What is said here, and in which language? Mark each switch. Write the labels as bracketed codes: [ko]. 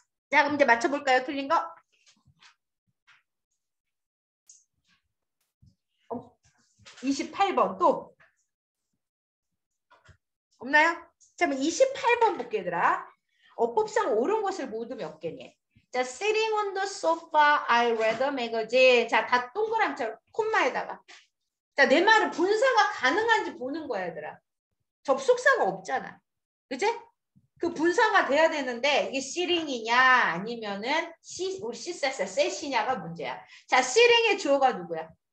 [ko] 자, 그럼 이제 맞춰볼까요? 틀린 거? 28번 또? 없나요? 자, 28번 볼게, 얘들아. 어법상 옳은 것을 모두 몇 개니? [en] 자, sitting on the sofa, I read a magazine. [ko] 자, 다 동그라미처럼 콤마에다가. 자, 내 말은 분사가 가능한지 보는 거야, 얘들아. 접속사가 없잖아. 그치? 그 분사가 돼야 되는데 이게 시링이냐 아니면은 시 우리 시세스 셋이냐가 문제야. 자, 시링의 주어가 누구야?